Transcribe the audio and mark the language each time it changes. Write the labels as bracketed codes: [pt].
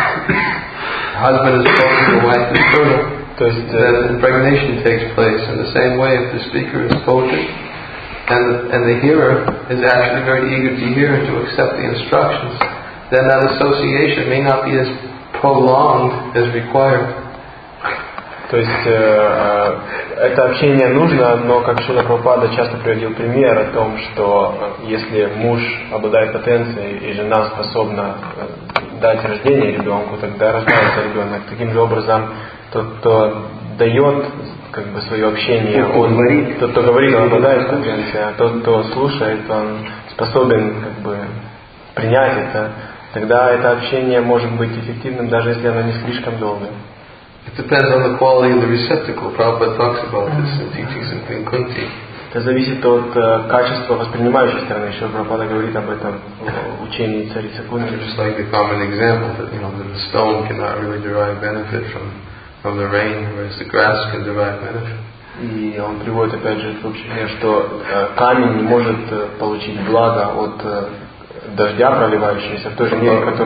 [en] Husband is potent, the wife is fertile. Then impregnation takes place in the same way. If the speaker is potent and the hearer is actually very eager to hear and to accept the instructions, then that association may not be as prolonged as required. [ru] То есть это общение нужно, но как Шрила Прабхупада часто приводил пример о том, что если муж обладает потенцией и жена способна дать рождение ребенку, тогда рождается ребенок. Таким же образом, тот, кто дает как бы свое общение, он говорит. Тот, кто говорит, он обладает потенцией, а тот, кто слушает, он способен как бы принять это, тогда это общение может быть эффективным, даже если оно не слишком долгое. [en] It depends on the quality of the receptacle. Prabhupada talks about this in teachings in Kunti. [ru] Это зависит от качества воспринимающей стороны. Еще Прабхупада говорит об этом в учении царицы Кунти. [en] Just like the common example that, you know, the stone cannot really derive benefit from the rain, whereas the grass can derive benefit. [ru] И он приводит опять же в учении, что камень не может получить благо от дождя проливающегося, в той же мере,